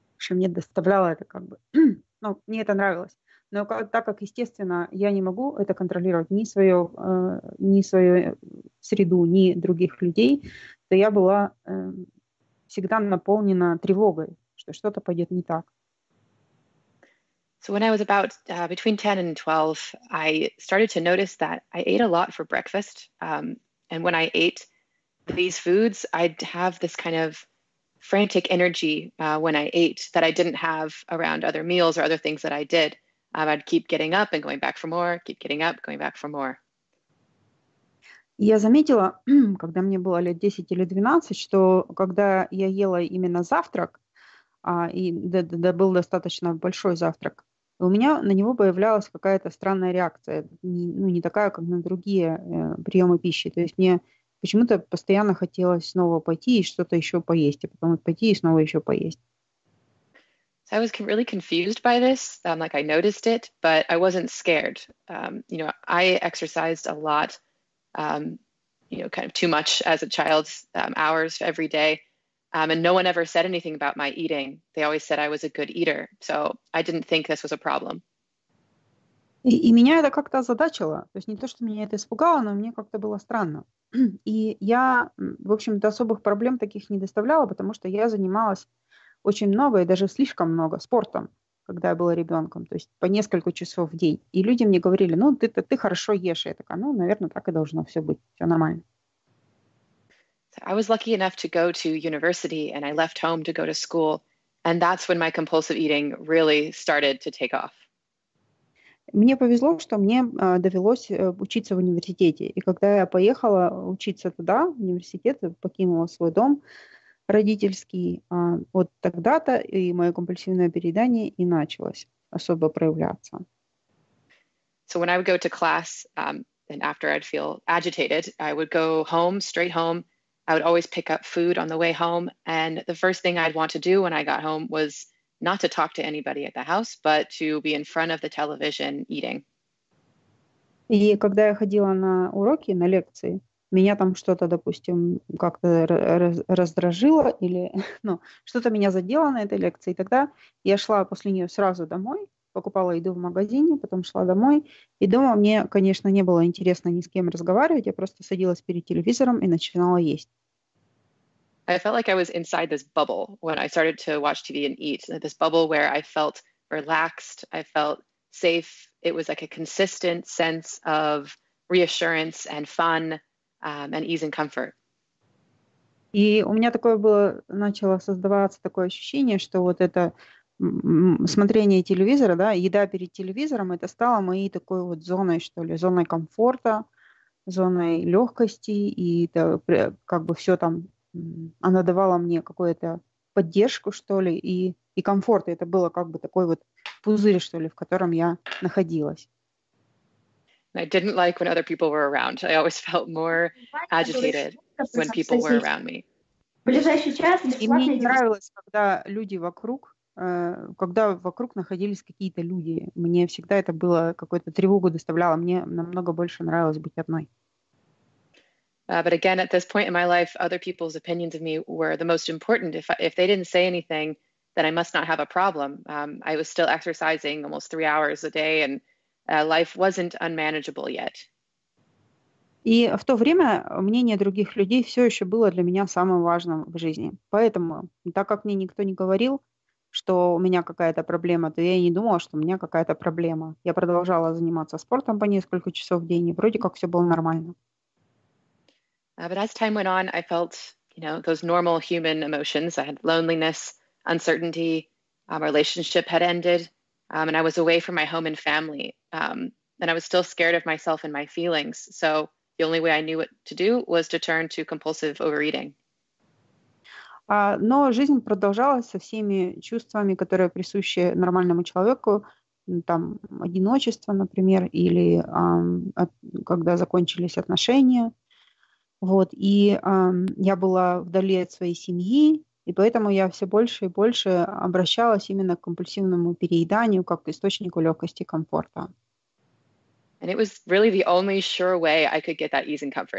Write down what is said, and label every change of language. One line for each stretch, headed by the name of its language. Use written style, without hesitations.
Russian: Мне доставляло это как бы, ну, мне это нравилось, но так как, естественно, я не могу это контролировать ни свою среду, ни других людей, то я была всегда наполнена тревогой, что что-то пойдет не так.
English: So when I was about between 10 and 12, I started to notice that I ate a lot for breakfast, and when I ate these foods, I'd have this kind of frantic energy when I ate that I didn't have around other meals or other things that I did. I'd keep getting up and going back for more, keep getting up, going back for more.
Russian: Я заметила, когда мне было лет 10 или 12, что когда я ела именно завтрак, был достаточно большой завтрак, у меня на него появлялась какая-то странная реакция, не такая, как на другие приемы пищи. То есть мне почему-то постоянно хотелось снова пойти и что-то еще поесть, а потом пойти и снова еще поесть.
English: So I was really confused by this. Like I noticed it, but I wasn't scared. I exercised a lot, kind of too much as a child, hours every day. And no one ever said anything about my eating. They always said I was a good eater. So I didn't think this was a problem.
Russian: И меня это как-то озадачило. То есть не то, что меня это испугало, но мне как-то было странно. И я, в общем-то, особых проблем таких не доставляла, потому что я занималась очень много и даже слишком много спортом, когда я была ребенком, то есть по несколько часов в день. И люди мне говорили, ну, ты хорошо ешь. Я такая, ну, наверное, так и должно все быть, все нормально.
English: I was lucky enough to go to university and I left home to go to school. And that's when my compulsive eating really started to take off.
Russian: Мне повезло, что мне довелось учиться в университете. И когда я поехала учиться туда, в университет, покинула свой дом родительский, вот тогда-то и мое компульсивное переедание и началось особо проявляться.
English: So when I would go to class, and after I'd feel agitated, I would go home, straight home. I would always pick up food on the way home. And the first thing I'd want to do when I got home was not to talk to anybody at the house, but to be in front of the television eating.
Russian: И когда я ходила на уроки, на лекции, меня там что-то, допустим, как-то раздражило или ну, что-то меня задело на этой лекции. И тогда я шла после нее сразу домой, покупала еду в магазине, потом шла домой. И дома мне, конечно, не было интересно ни с кем разговаривать, я просто садилась перед телевизором и начинала есть.
English: I felt like I was inside this bubble when I started to watch TV and eat. This bubble where I felt relaxed, I felt safe. It was like a consistent sense of reassurance and fun, and ease and comfort.
Russian: И у меня такое было, начало создаваться такое ощущение, что вот это смотрение телевизора, да, еда перед телевизором, это стало моей такой вот зоной, что ли, зоной комфорта, зоной легкости, и это как бы все там она давала мне какую-то поддержку, что ли, и комфорт. Это было как бы такой вот пузырь, что ли, в котором я находилась.
English: I didn't like when other people were around. I always felt more agitated when people were around me.
Russian: И мне не нравилось, когда люди вокруг, находились какие-то люди. Мне всегда это было, какую-то тревогу доставляло. Мне намного больше нравилось быть одной.
English: But again, at this point in my life, other people's opinions of me were the most important. If they didn't say anything, then I must not have a problem. I was still exercising almost 3 hours a day, and life wasn't unmanageable yet.
Russian: И в то время мнение других людей все еще было для меня самым важным в жизни. Поэтому, так как мне никто не говорил, что у меня какая-то проблема, то я и не думала, что у меня какая-то проблема. Я продолжала заниматься спортом по несколько часов в день, и вроде как все было нормально.
English: But as time went on, I felt, those normal human emotions. I had loneliness, uncertainty, our relationship had ended, and I was away from my home and family. And I was still scared of myself and my feelings. So the only way I knew what to do was to turn to compulsive overeating.
Russian: Но жизнь продолжалась со всеми чувствами, которые присущи нормальному человеку, там, одиночество, например, или когда закончились отношения. Вот, и я была вдали от своей семьи, и поэтому я все больше и больше обращалась именно к компульсивному перееданию как к источнику легкости и комфорта.
English: And it was really the only sure way I could get that ease and comfort.